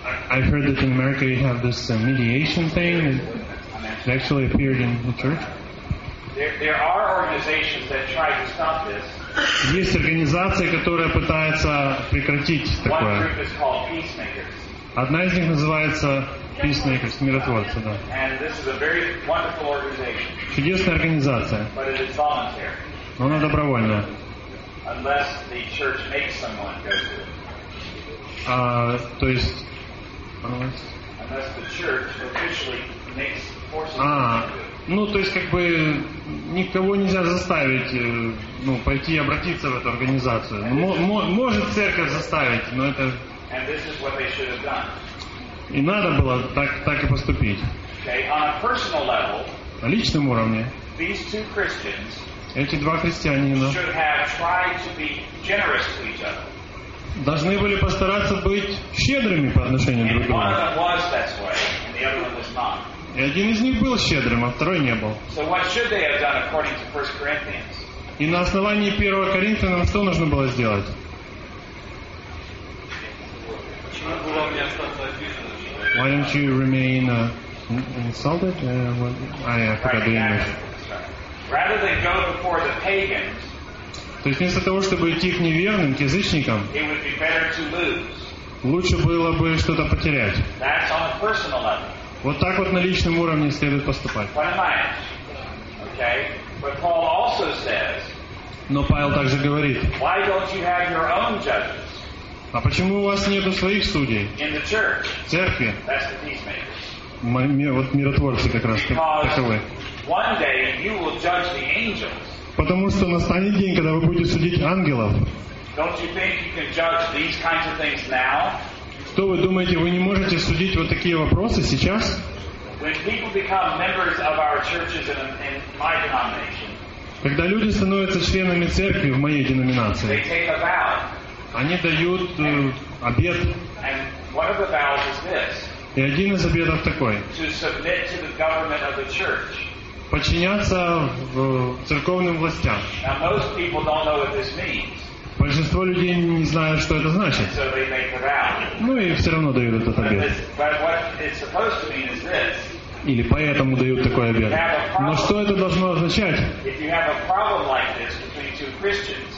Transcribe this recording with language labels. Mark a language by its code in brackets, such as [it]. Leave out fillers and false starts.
[en] I've heard that in America you have this mediation thing. It actually appeared in the church. There are organizations that try to stop this. [ru] Есть организации, которая пытается прекратить такое. [en] One group is called Peacemakers. [ru] Одна из них называется Peacemakers, миротворцы, да. [en] And this is a very wonderful organization. [ru] Чудесная организация. [en] But it is voluntary. [ru] Но она добровольная. [en] Unless the church makes someone go to it. [ru] То есть... [en] Unless the church officially makes forces to it. [ru] Ну, то есть, как бы, никого нельзя заставить пойти и обратиться в эту организацию. Может церковь заставить, но это... [en] And this is what they should have done. [ru] И надо было так и поступить. [en] Okay, on a personal level, [ru] на личном уровне, [en] these two Christians, [ru] эти два христианина, [en] should have tried to be generous to each other. [ru] Должны были постараться быть щедрыми по отношению друг к другу. [en] And one of them was that way, and the other one was not. [ru] И один из них был щедрым, а второй не был. [en] So what should they have done according to 1 Corinthians? [ru] И на основании 1 Коринфянам что нужно было сделать? [en] Why don't you remain insulted? I forgot the English. Rather than go before the pagans, [ru] то есть вместо того, чтобы идти к неверным, к язычникам, [en] it would be better to lose. [ru] Лучше было бы что-то потерять. [en] That's on a personal level. [ru] Вот так вот на личном уровне следует поступать. [en] What am I? Okay. But Paul also says, [ru] но Павел также говорит, [en] why don't you have your own judges? [ru] А почему у вас нету своих судей? [en] In the church, [ru] в церкви? [en] That's the peacemakers. [ru] Вот миротворцы как раз таковы. [en] One day you will judge the angels. [ru] Потому что настанет день, когда вы будете судить ангелов. [en] Don't you think you can judge these kinds of things now? [ru] Что вы думаете, вы не можете судить вот такие вопросы сейчас? [en] When people become members of our churches in my denomination, [ru] когда люди становятся членами церкви в моей деноминации, [en] they take a vow. [ru] Они дают обет. [en] And one of the vows is this. [ru] И один из обетов такой. [en] To submit to the government of the church. [ru] Подчиняться церковным властям. [en] Now, most people don't know what this means. [ru] Большинство людей не знают, что это значит. [en] So they make the vow. [ru] Ну и все равно дают этот обет. [en] But what it's supposed to mean is this. [ru] Или поэтому дают такой обет. Но что это должно означать? [en] If you have a problem like this between two Christians,